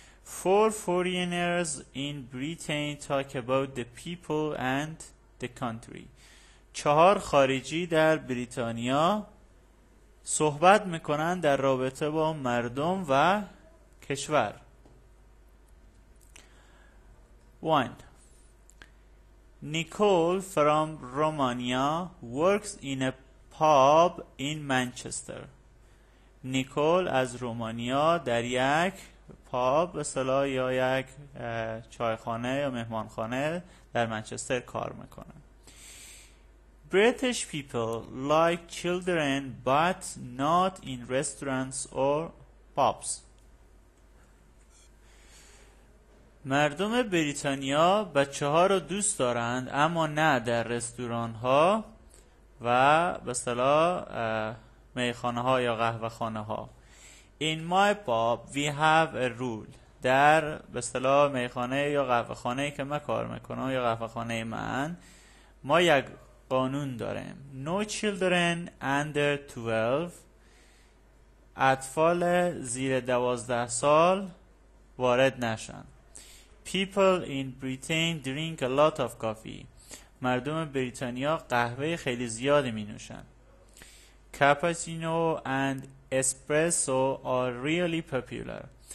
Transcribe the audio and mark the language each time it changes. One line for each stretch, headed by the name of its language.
English: Four foreigners in Britain talk about the people and the country.
Persian: چهار خارجی در بریتانیا صحبت میکنن در رابطه با مردم و کشور. 1.
English: Nicole from Romania works in a pub in Manchester.
Persian: Nicole از رومانیا در یک پاب به اصطلاح یا یک چایخانه یا مهمانخانه در منچستر کار میکنه.
English: British people like children but not in restaurants or pubs.
Persian: مردم بریتانیا بچه ها رو دوست دارند اما نه در رستوران ها و به اصطلاح میخانه ها یا قهوه خانه ها.
English: In my pub we have a rule.
Persian: در به اصطلاح میخانه یا قهوه خانه که من کار میکنم یا قهوه خانه من، ما یک قانون داریم.
English: No children under 12.
Persian: اطفال زیر 12 سال وارد نشن.
English: People in Britain drink a lot of coffee.
Persian: مردم بریتانیا قهوه خیلی زیادی می نوشن.
English: Cappuccino and espresso are really popular.